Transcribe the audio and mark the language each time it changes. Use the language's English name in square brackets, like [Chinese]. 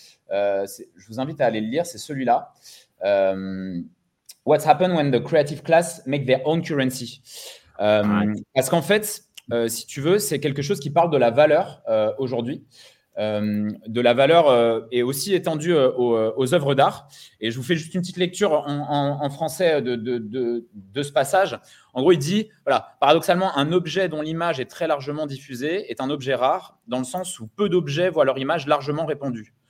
[French] Je vous invite à aller le lire, c'est celui-là. [English] What's happened when the creative class make their own currency? [French] Parce qu'en fait, si tu veux, c'est quelque chose qui parle de la valeur aujourd'hui. De la valeur est aussi étendue aux œuvres d'art. Et je vous fais juste une petite lecture en français de ce passage. En gros, il dit, voilà, paradoxalement, un objet dont l'image est très largement diffusée est un objet rare dans le sens où peu d'objets voient leur image largement répandue.